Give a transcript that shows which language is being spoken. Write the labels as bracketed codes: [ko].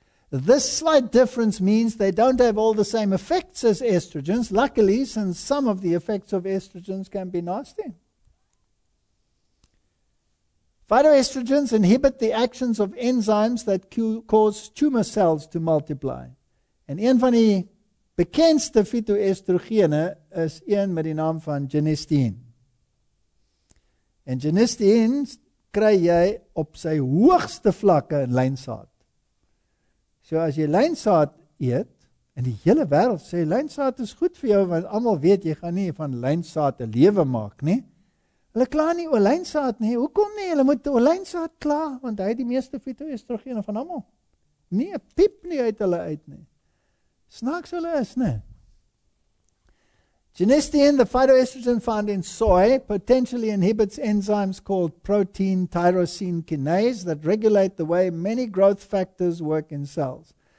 [en] This slight difference means they don't have all the same effects as estrogens, luckily, since some of the effects of estrogens can be nasty. Phytoestrogens inhibit the actions of enzymes that cause tumor cells to multiply. [af] En een van die bekendste phytoestrogene is een met die naam van genistein. En genistein kry jy op sy hoogste vlakke in lynsaad. So as jy lynsaad eet, en die hele wêreld sê lynsaad is goed vir jou, want almal weet jy gaan nie van lynsaad 'n lewe maak nie. Hulle kla nie oor lynsaad nie. Hoekom nie? Hulle moet oor lynsaad kla, want hy het die meeste phytoestrogene van almal. Nee, piep nie uit hulle uit nie. Snaaks hulle is, nie? [en] Genistein, the phytoestrogen found in soy, potentially inhibits enzymes called protein tyrosine kinase that regulate the way many growth factors work in cells.